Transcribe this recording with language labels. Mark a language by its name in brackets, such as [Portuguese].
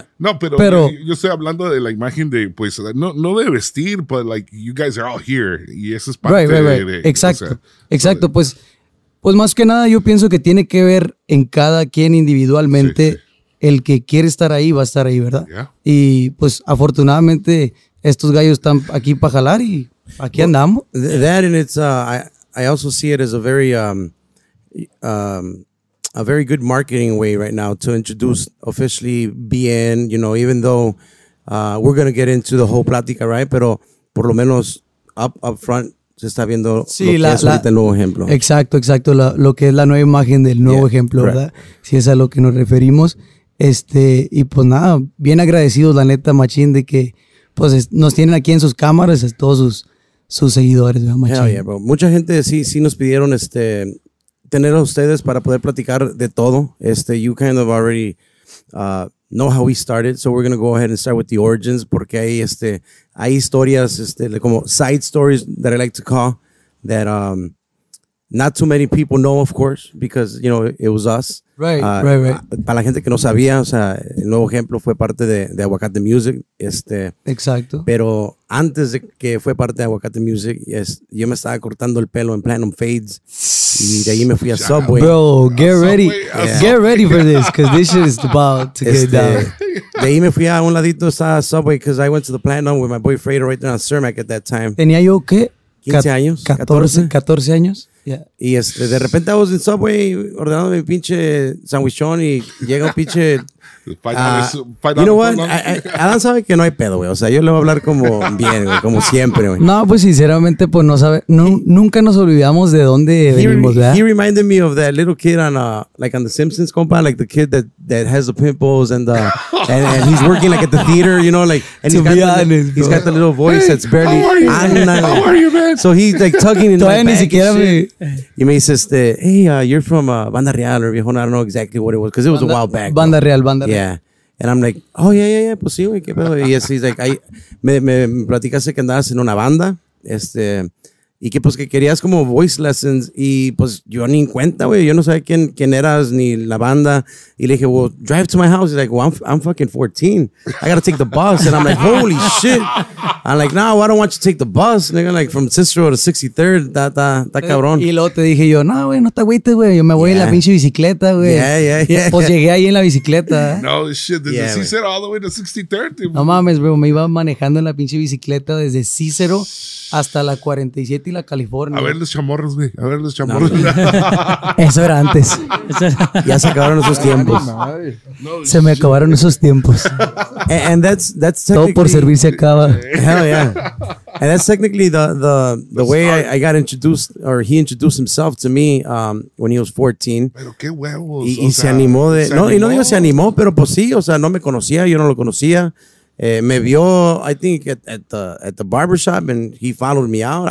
[Spanish] Yeah. No, pero yo estoy hablando de la imagen de, pues, no de vestir, pero like, [English] you guys are all here, [Spanish] y eso es parte Exacto, pues. Pues más que nada, yo pienso que tiene que ver en cada quien individualmente. El que quiere estar ahí va a estar ahí, ¿verdad? [English] Yeah. [Spanish] Y pues afortunadamente estos gallos están aquí para jalar y aquí andamos. [English] That and it's I also see it as a very a very good marketing way right now to introduce officially BN, you know, even though we're going to get into the whole plática, right? [Spanish] Pero por lo menos [English] up front [Spanish] se está viendo el Nuevo Ejemplo. Exacto. Lo que es la nueva imagen del Nuevo Ejemplo, ¿verdad? [English] Right. [Spanish] Si es a lo que nos referimos. Y pues nada, bien agradecidos, la neta, machín, de que pues nos tienen aquí en sus cámaras todos sus seguidores, ¿verdad, machín? [English] Yeah, bro. [Spanish] Mucha gente sí nos pidieron tener a ustedes para poder platicar de todo. [English] You kind of already know how we started, so we're going to go ahead and start with the origins, [Spanish] porque ahí hay historias, como [English] side stories that I like to call, that not too many people know, of course, because, you know, it was us. Right. [Spanish] Para la gente que no sabía, o sea, el Nuevo Ejemplo fue parte de Aguacate Music. Exacto. Pero antes de que fue parte de Aguacate Music, yo me estaba cortando el pelo en Platinum Fades, y de ahí me fui a Subway. [English] Bro, get ready for this, because this shit is about to get down. [Spanish] De ahí me fui a un ladito, estaba a Subway, [English] because I went to the Platinum with my boy Fredo right there on Cermak at that time. [Spanish] ¿Tenía yo qué? 15 años. 14 años. [English] Yeah. [Spanish] Y de repente [English] I was in Subway [Spanish] ordenando mi pinche sandwichón y llega un pinche... [English] you know what? [Spanish] Adan sabe que no hay pedo, güey. O sea, yo le voy a hablar como bien, güey, como siempre, güey. No, pues sinceramente, pues no sabe. Nunca nos olvidamos de dónde venimos, ¿verdad? [English] He reminded me of that little kid on The Simpsons, compa, like the kid that has the pimples and he's working like at the theater, you know, like. And to be honest, he's got the little voice that's barely. How are you, man? So he's like tugging in the bag. [Spanish] Ni siquiera me. [English] You may say, "Hey, you're from Banda Real or Viejo." I don't know exactly what it was because it was a while back. [Spanish] Banda Real, Banda. [English] Yeah, and I'm like, oh yeah, [Spanish] pues sí, güey, qué pedo. Y así, [English] he's like, [Spanish] me platicaste que andabas en una banda, y que pues que querías como [English] voice lessons, [Spanish] y pues yo ni en cuenta, güey, yo no sabía quién eras ni la banda, y le dije, [English] well, drive to my house. He's like, well, I'm fucking 14, I gotta take the bus. And I'm like, holy shit. I'm like, no, I don't want you to take the bus, nigga, like from Cicero to 63rd, [Spanish] ta cabrón. Y luego te dije yo, no, güey, no te agüites, güey, yo me voy en la pinche bicicleta, güey. [English] Yeah. [Spanish] Pues llegué ahí en la bicicleta. [English] No, shit, [Spanish] desde Cicero [English] all the way to 63rd. [Spanish] No mames, bro, me iba manejando en la pinche bicicleta desde Cicero hasta la 47 y la California. A ver los chamorros, güey. A ver los chamorros. No, eso era antes. Ya se acabaron esos tiempos. Se me acabaron esos tiempos. [English] And that's [Spanish] todo por servir se acaba. [English] Hell yeah. And that's technically the way I got introduced, or he introduced himself to me when he was 14. [Spanish] Pero qué huevos. Y se animó de... No, y no digo se animó, pero pues sí, o sea, no me conocía, yo no lo conocía. [English] Me vio, I think, at the barbershop, and he followed me out.